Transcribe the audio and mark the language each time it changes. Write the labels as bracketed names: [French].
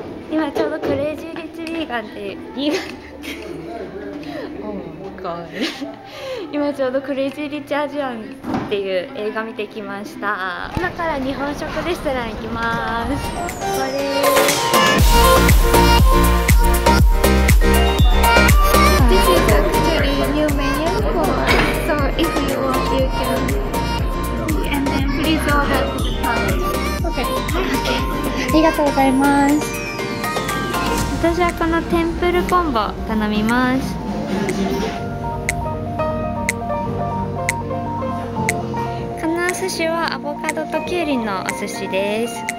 [Japanese] 今ちょうどクレイジーリッチビーガンって [English] Oh my God. [Japanese] 今ちょうどクレイジーリッチアジアンっていう映画見てきました。今から日本食レストラン行きます。これ [English] This is actually new menu for us. So if you want, you can and then please order to the top. Okay [Japanese] ありがとうございます。私はこのテンプルコンボ頼みます。このお寿司はアボカドとキュウリのお寿司です。